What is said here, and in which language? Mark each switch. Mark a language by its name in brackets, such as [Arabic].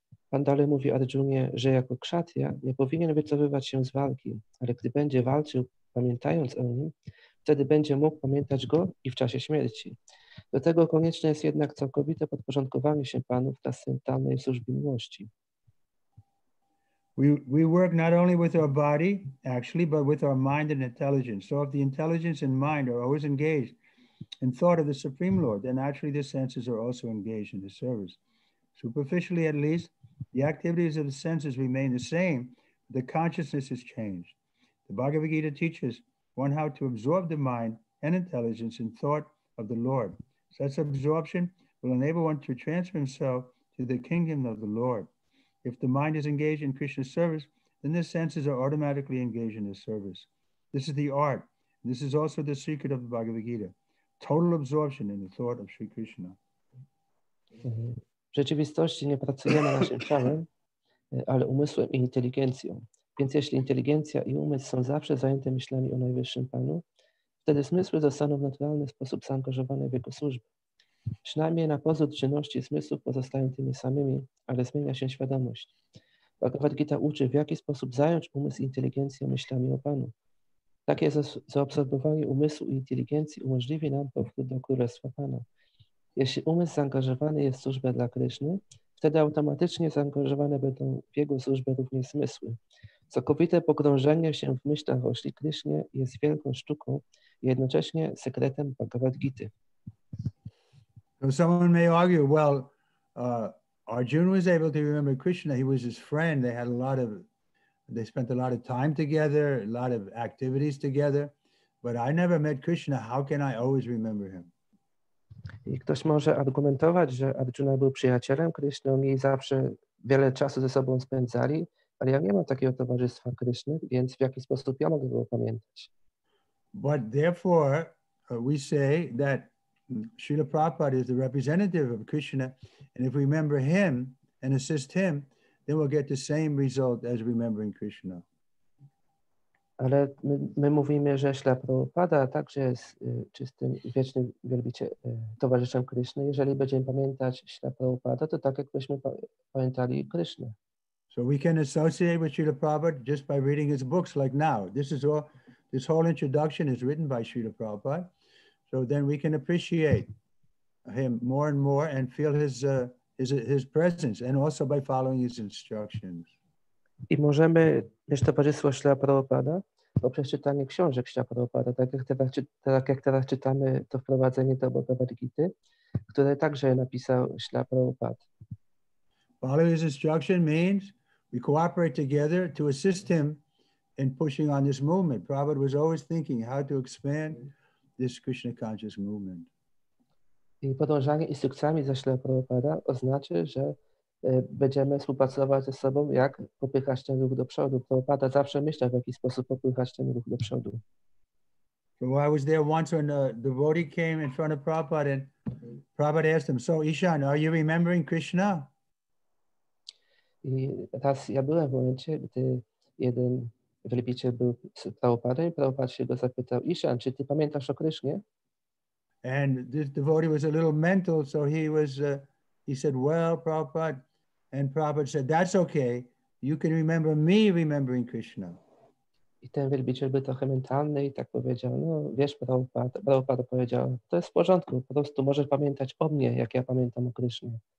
[Polish] Pan dalej mówi Arjunie, że jako kszatria nie powinien wycofywać się z walki, ale gdy będzie walczył, pamiętając o nim, wtedy będzie mógł pamiętać go i w czasie śmierci. Do tego konieczne jest jednak całkowite podporządkowanie się Panu w transcendentalnej służbie miłości. [English] We work not only with our body, actually, but with our mind and intelligence. So if the intelligence and mind are always engaged in thought of the Supreme Lord, then actually the senses are also engaged in the service. Superficially at least, the activities of the senses remain the same, but the consciousness is changed. The Bhagavad Gita teaches one how to absorb the mind and intelligence in thought of the Lord. Such absorption will enable one to transfer himself to the kingdom of the Lord. If the mind is engaged in Krishna's service, then the senses are automatically engaged in his service. This is the art. This is also the secret of the Bhagavad Gita. Total absorption in the thought of Sri Krishna. [Polish] W rzeczywistości nie pracujemy naszym ciałem, ale umysłem i inteligencją. Więc jeśli inteligencja i umysł są zawsze zajęte myślami o najwyższym Panu, wtedy zmysły zostaną w naturalny sposób zaangażowane w Jego służbę. Przynajmniej na pozór czynności zmysłów pozostają tymi samymi, ale zmienia się świadomość. Bhagavad Gita uczy, w jaki sposób zająć umysł i inteligencję myślami o Panu. Takie zaobserwowanie umysłu i inteligencji umożliwi nam powrót do Królestwa Pana. Jeśli umysł zaangażowany jest w służbę dla Kryszny, wtedy automatycznie zaangażowane będą w jego służbę również zmysły. Całkowite pogrążenie się w myślach o Śri Krishnie jest wielką sztuką i jednocześnie sekretem Bhagavad Gity. [English] So someone may argue, well, Arjuna was able to remember Krishna. He was his friend. They had a lot of, they spent a lot of time together, a lot of activities together. But I never met Krishna. How can I always remember him? [Polish] I ktoś może argumentować, że Arjuna był przyjacielem Krishna, oni zawsze wiele czasu ze sobą spędzali, ale ja nie mam takiego towarzystwa Krishna, więc w jaki sposób ja mogę go pamiętać? [English] But therefore, we say that Srila Prabhupada is the representative of Krishna, and if we remember him and assist him, then we'll get the same result as remembering Krishna. [Polish] Ale my mówimy, że Śla Prabhupada także jest czystym i wiecznym towarzyszem Kryszny. Jeżeli będziemy pamiętać Śla Prabhupada, to tak jakbyśmy pamiętali Krysznę. [English] So we can associate with Śla Prabhupada just by reading his books like now. This is all, this whole introduction is written by Śla Prabhupada. So then we can appreciate him more and more and feel his presence and also by following his instructions. [Polish] I możemy mieć towarzystwo Śla Prabhupada poprzez czytanie książek Śla Prabhupada, tak jak teraz czytamy to wprowadzenie do Bhagavad Gity, które także napisał Śla Prabhupada. [English] Follow his instruction means we cooperate together to assist him in pushing on this movement. Prabhupada was always thinking how to expand this Krishna conscious movement. [Polish] I podążanie instrukcjami za Śla Prabhupada oznacza, że będziemy współpracować ze sobą, jak popychać ten ruch do przodu. Prabhupada zawsze myślał, w jaki sposób popychać ten ruch do przodu. [English] So I was there once when a devotee came in front of Prabhupada and Prabhupada asked him, so Ishan, are you remembering Krishna? [Polish] I raz ja byłem w momencie, gdy jeden wielbiciel był z Prabhupada i Prabhupada się go zapytał, Ishan, czy ty pamiętasz o Krishnie? [English] And this devotee was a little mental, so he was... He said, well, Prabhupada, and Prabhupada said, that's okay. You can remember me remembering Krishna. [Polish] I ten wielbiciel był trochę mentalny i tak powiedział, no wiesz, Prabhupada powiedział, to jest w porządku, po prostu możesz pamiętać o mnie, jak ja pamiętam o Krishna.